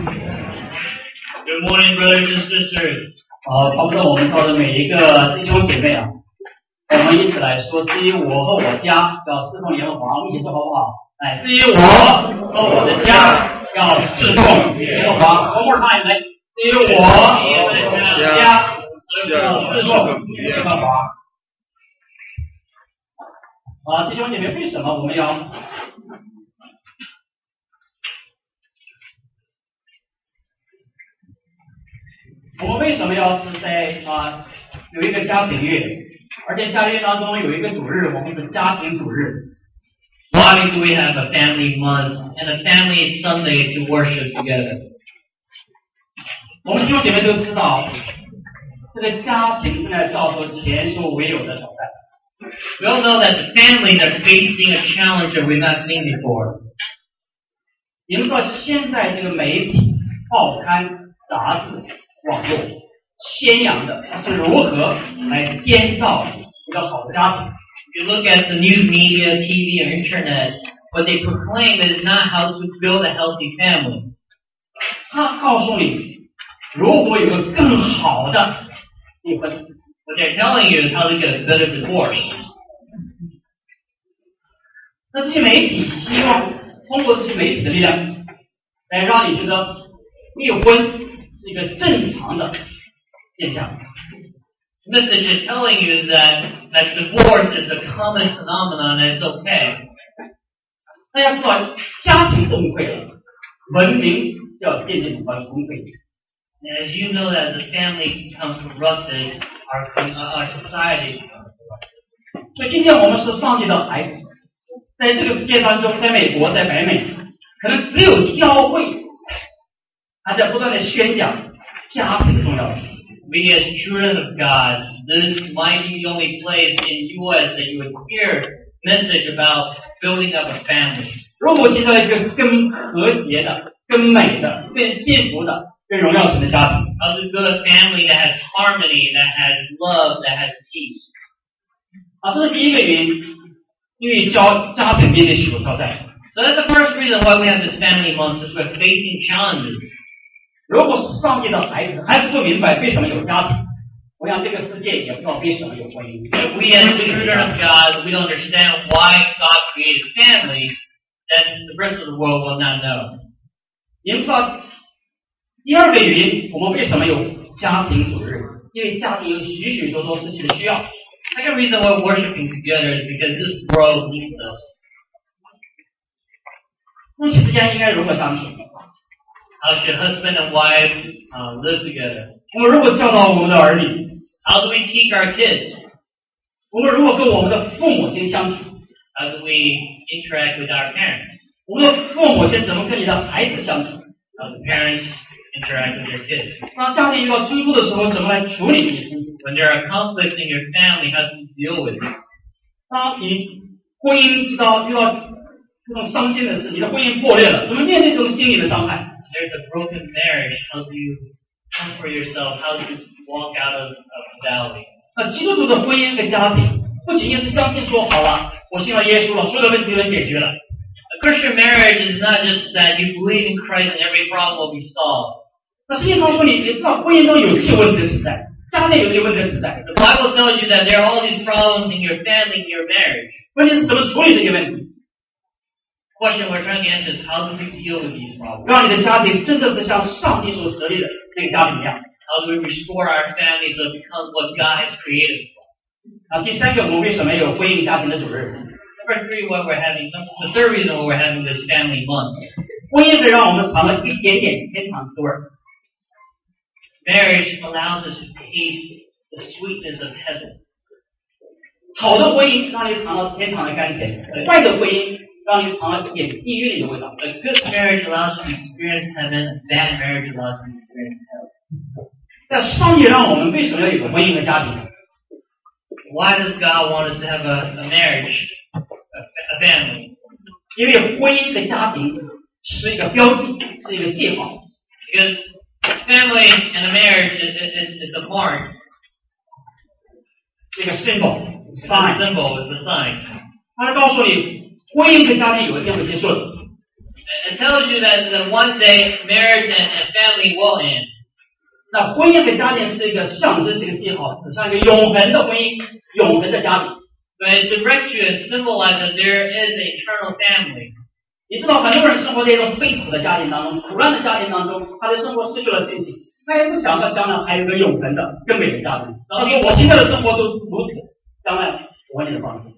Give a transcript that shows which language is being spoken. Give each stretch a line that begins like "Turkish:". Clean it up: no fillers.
English: Good morning, brothers and sisters.
Chinese: 帮助我们到的每一个弟兄姐妹啊，我们一起来说，至于我和我家要侍奉耶和华，一起说好不好？来，至于我和我的家要侍奉耶和华。
English: One more time,
Chinese: 来，至于我和我的家要侍奉耶和华。弟兄姐妹，为什么我们要？我们为什么要是在有一个家庭月，而且家庭当中有一个主日，我们是家庭主日。
English: Why do we have a family month and a family Sunday to worship together?
Chinese: 我们弟兄姐妹都知道，这个家庭正在遭受前所未有的挑战。
English: We all know that the family is facing a challenge that we've not seen before.
Chinese: 你们说现在这个媒体、报刊、杂志。网络宣扬的是如何来建造一个好的家庭。
English: You look at the news media, TV, and internet, what they proclaim is not how to build a healthy family.
Chinese: 他告诉你，如果有个更好的离婚。
English: What they're telling you is how to get a better divorce.
Chinese: 那这些媒体希望通过这些媒体的力量，来让你觉得离婚。是一个正常的现象。
English: The message is telling you that divorce is a common phenomenon and it's okay.
Chinese: 大家说家庭崩溃了，文明就要渐渐的崩溃。
English: And as you know that the family becomes corrupted, our society becomes corrupted.
Chinese: 所以今天我们是上帝的孩子，在这个世界当中，在美国，在北美，可能只有教会。他在不断地宣讲家庭的重要性。
English: We as children of God, this might be the only place in the U.S. that you would hear message about building up a family.
Chinese: 如果建造一个更和谐的、更美的、更幸福的、更荣耀性的家庭。
English: How to build a family that has harmony, that has love, that has peace.
Chinese: 这是第一个原因，因为家庭面临许多挑战。
English: So that's the first reason why we have this family month, is we're facing challenges.
Chinese: 如果是上帝的孩子，还是不明白为什么有家庭，我想这个世界也不知道为什么有婚姻。
English: If we as children of God, we don't understand why God created family, then the rest of the world will not know.
Chinese: 你们说，第二个原因，我们为什么有家庭主日？因为家庭有许许多多事情的需要。
English: Second reason why we're worshiping together is because this world needs us.
Chinese: 夫妻之间应该如何相处？
English: How should husband and wife live together?
Chinese: 我们如何教导我们的儿女？
English: How do we teach our kids?
Chinese: 我们如何跟我们的父母亲相处？
English: How do we interact with our parents?
Chinese: 我们的父母亲怎么跟你的孩子相处？
English: How do parents interact with their kids?
Chinese: 当家庭遇到冲突的时候，怎么来处理？
English: When there are conflicts in your family, how do you deal with it?
Chinese: 当你婚姻遇到这种伤心的事，你的婚姻破裂了，怎么面对这种心理的伤害？
English: There's a broken marriage. How do you comfort yourself? How do you walk out of a valley?
Chinese: 那基督徒的婚姻跟家庭不仅仅是相信说好了，我信了耶稣了，所有的问题都解决了。
English: A Christian marriage is not just that you believe in Christ and every problem will be solved.
Chinese: 那圣经上说你知道婚姻中有些问题存在，家庭有些问题存在。
English: The Bible tells you that there are all these problems in your family, in your marriage.
Chinese: 问题是怎么处理这些问题？
English: The question we're trying to answer is how do we deal with these problems?
Chinese: 让你的家庭真正的像上帝所设立的那个家庭一样。
English: How do we restore our family so it becomes what God has created for?
Chinese: 第三个，我们为什么有婚姻家庭的主日？
English: Number three, what we're having, the third reason we're having this family month.
Chinese: 婚姻是让我们尝了一点点天堂滋味。
English: Marriage allows us to taste the sweetness of heaven.
Chinese: 好的婚姻让你尝了天堂的甘甜，坏的婚姻让你尝了一点地狱里的味道。
English: A good marriage allows you to experience heaven, a bad marriage allows you to experience hell.
Chinese: 但上帝让我们为什么要有个婚姻和家庭？
English: Why does God want us to have a marriage, a family?
Chinese: 因为婚姻和家庭是一个标记，是一个记号。
English: Because family and a marriage is a mark.
Chinese: 是一个 symbol,
English: a symbol, is a sign. 他告诉你婚姻跟家庭有一天会结束的。 tells you that the one day marriage and family will end.
Chinese: 那婚姻跟家庭是一个象征性的记号，指向一个永恒的婚姻，永恒的家庭。
English: But it directs you and symbolizes that there is an eternal family.
Chinese: 你知道很多人生活在一种悲苦的家庭当中，苦难的家庭当中，他的生活失去了信心，他也不想到将来还有个永恒的更美的家庭。所以我现在的生活都是如此，将来我会给你帮助。